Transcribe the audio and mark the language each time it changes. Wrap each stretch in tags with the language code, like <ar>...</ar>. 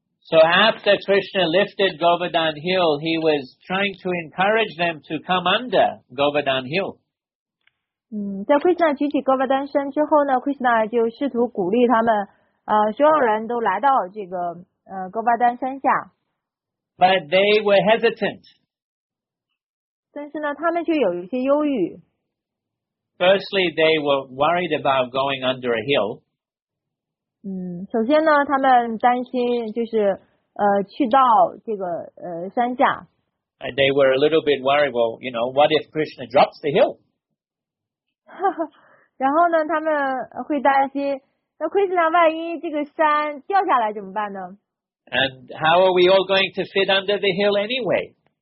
<en>So after Krishna lifted Govardhan Hill, he was trying to encourage them to come under Govardhan Hill.</en> <zh>在 Krishna 举起 Govardhan 山之后呢 ,Krishna 就试图鼓励他们所有人都来到这个Govardhan 山下。</zh> <en>But they were hesitant.</en> <zh>但是呢他们却有一些忧郁。</zh> <en>Firstly, they were worried about going under a hill.</en> <zh>首先呢他们担心就是去到这个山下。</zh> <en>And they were a little bit worried, well, you know, what if Krishna drops the hill?</en> <zh>然后呢他们会担心那 Krishna 万一这个山掉下来怎么办呢</zh> <en>And how are we all going to fit under the hill anyway?</en>